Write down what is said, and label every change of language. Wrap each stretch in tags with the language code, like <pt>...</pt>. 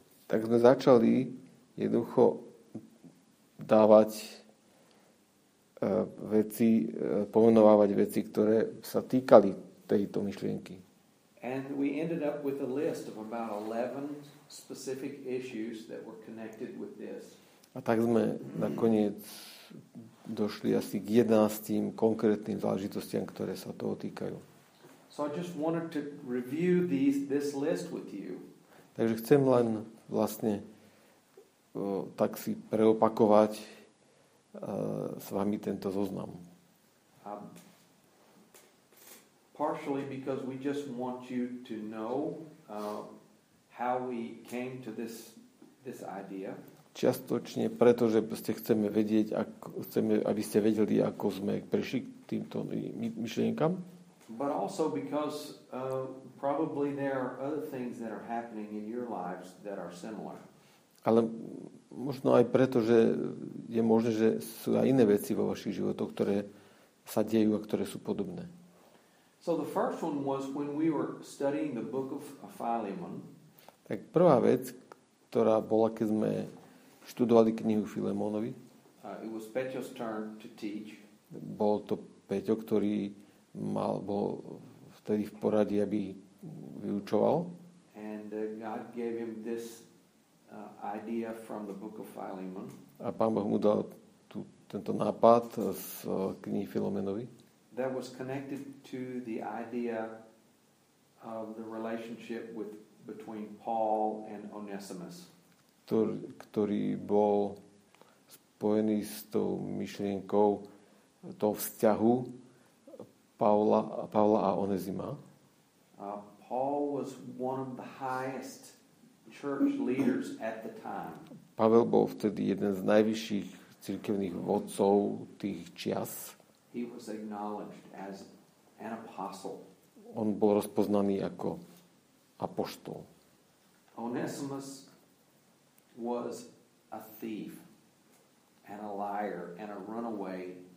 <sk>Tak sme začali jednoducho dávať veci, pomenovávať veci, ktoré sa týkali tejto myšlienky.</sk> <en>And we ended up with a list of about 11 specific issues that were connected with this.</en> <sk>A tak sme nakoniec došli asi k 11 konkrétnym záležitostiam, ktoré sa toho týkajú.</sk> <en>So I just wanted to review this list with you.</en> <sk>Takže chcem len vlastne tak si preopakovať s vami tento zoznam.</sk> <en>Partially because we just want you to know how we came to this idea.</en> <sk>Čiastočne preto, že ste chceme vedieť, chceme, aby ste vedeli, ako sme prišli k týmto myšlienkam.</sk> <en>But also because probably there are other things that are happening in your lives that are similar.</en> <sk>Ale možno aj preto, že je možné, že sú aj iné veci vo vašich životoch, ktoré sa dejú a ktoré sú podobné.</sk> <en>So the first one was when we were studying the book of Philemon.</en> <sk>Tak prvá vec, ktorá bola, keď sme študovali knihu Filemonovi.</sk> <en>It was Peťo's turn to teach.</en> <sk>Bol to Peťo, ktorý mal bol vtedy v poradí, aby vyučoval.</sk> <en>And God gave him this idea from the book of Philemon.</en> <sk>A Pán Boh mu dal tento nápad z knihy Filemonovi.</sk> <en>That was connected to the idea of the relationship between Paul and Onesimus.</en> <sk>Ktorý bol spojený s tou myšlienkou toho vzťahu Pavla a Onesima.</sk> <en>Paul was one of the highest church leaders at the time.</en> <sk>Pavel bol vtedy jeden z najvyšších cirkevných vodcov tých čias.</sk> <en>He was acknowledged as an apostle.</en> <sk>On bol rozpoznaný ako apoštol.</sk> <en>Onesimus was a thief and a liar and a runaway.</en>